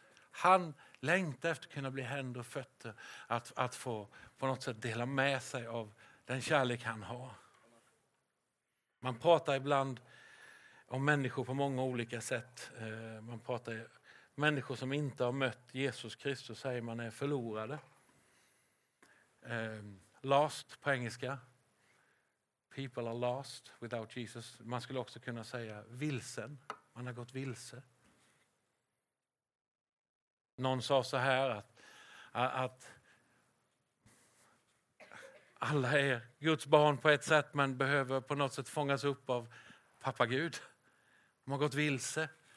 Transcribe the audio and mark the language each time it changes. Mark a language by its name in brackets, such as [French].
[Swedish] Han längtar efter att kunna bli händer och fötter. Att få på något sätt dela med sig av den kärlek han har. Man pratar ibland om människor på många olika sätt. Man pratar om människor som inte har mött Jesus Kristus och säger man är förlorade. Lost på engelska. [English] people are lost without Jesus. [Swedish] Man skulle också kunna säga vilsen. Man har gått vilse. Någon sa så här att alla är Guds barn på ett sätt, men behöver på något sätt fångas upp av pappa Gud. De har gått vilse.